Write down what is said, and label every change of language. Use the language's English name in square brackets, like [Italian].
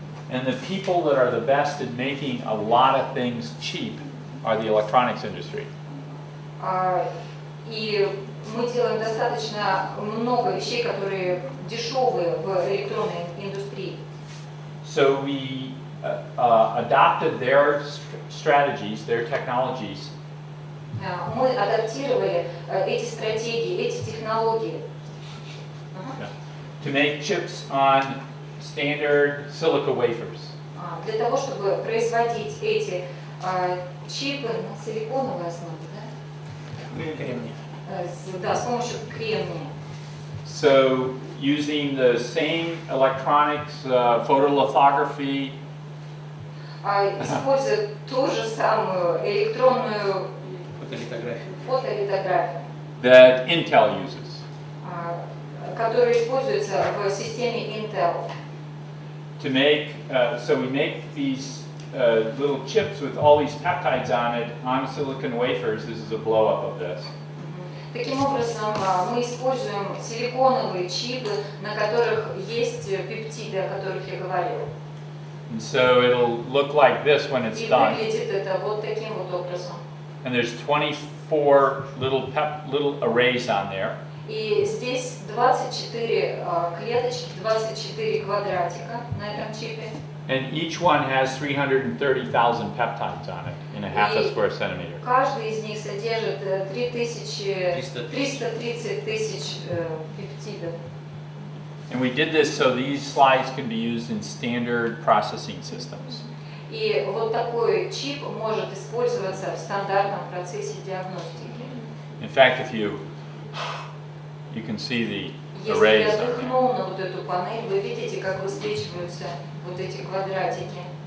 [English] And the people that are the best at making a lot of things cheap are the electronics industry. [Russian] Мы делаем достаточно много вещей, которые дешевые в электронной индустрии. [English] So we adopted their strategies, their technologies. [Russian] Мы адаптировали эти стратегии, эти технологии. [English] To make chips on standard silica wafers. [Russian] Для того, чтобы производить эти чипы на силиконовой основе, да? С помощью кремния. [English] So, using the same electronics, photolithography. [Russian] использует ту же самую электронную фотолитографию, [English] that Intel uses. [Russian] Которая используется в системе Intel. [English] To make, so we make these little chips with all these peptides on it on silicon wafers. This is a blow up of this. [Russian] Таким образом, мы используем силиконовые чипы, на которых есть пептиды, о которых я говорил. [English] And so it'll look like this when it's done. [Russian] И выглядит это вот таким вот образом. [English] And there's 24 little arrays on there. [Russian] И здесь 24 клеточки, 24 квадратика на этом чипе. [English] And each one has 330,000 peptides on it in a half a square centimeter. [Russian] Каждый из них содержит 330,000 пептидов. [English] And we did this so these slides can be used in standard processing systems. [Russian] И вот такой чип может использоваться в стандартном процессе диагностики. [English] In fact, if you can see the arrays. [Russian] Если я дыхну на вот эту панель, вы видите, как высвечиваются вот эти квадратики.